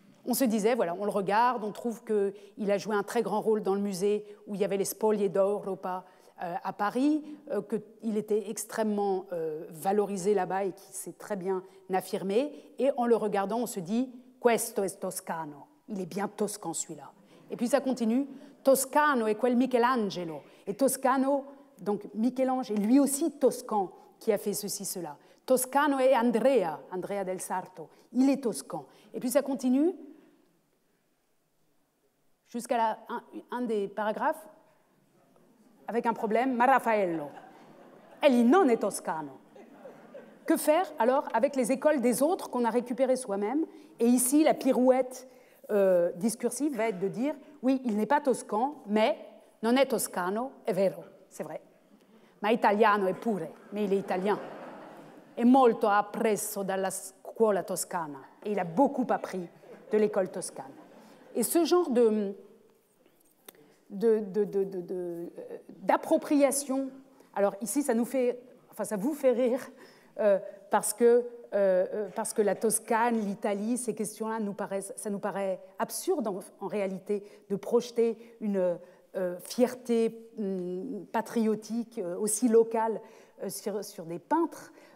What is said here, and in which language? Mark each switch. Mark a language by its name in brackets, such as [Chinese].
[French] On se disait, voilà, on le regarde, on trouve qu'il a joué un très grand rôle dans le musée où il y avait les Spoglie d'Europa à Paris, qu'il était extrêmement valorisé là-bas et qu'il s'est très bien affirmé. Et en le regardant, on se dit, [Italian] questo è toscano, [French] il est bien toscan celui-là. Et puis ça continue, [Italian] toscano è quel Michelangelo. [French] Et toscano, donc Michel-Ange, est lui aussi toscan qui a fait ceci, cela. [Italian] Toscano è Andrea, Andrea del Sarto, [French] il est toscan. Et puis ça continue jusqu'à un des paragraphes avec un problème, [Italian] ma Raffaello, egli non è toscano. [French] Que faire alors avec les écoles des autres qu'on a récupérées soi-même? Et ici, la pirouette discursive va être de dire, oui, il n'est pas toscan, mais [Italian] non è toscano, è vero, [French] c'est vrai. [Italian] Ma italiano è pure, [French] mais il est italien. [Italian] E molto ha appreso dalla scuola toscana. [French] Et il a beaucoup appris de l'école toscane. Et ce genre de, d'appropriation. Alors ici, ça nous fait, enfin, ça vous fait rire parce que la Toscane, l'Italie, ces questions-là nous paraissent, ça nous paraît absurde en réalité de projeter une fierté patriotique aussi locale sur des peintres.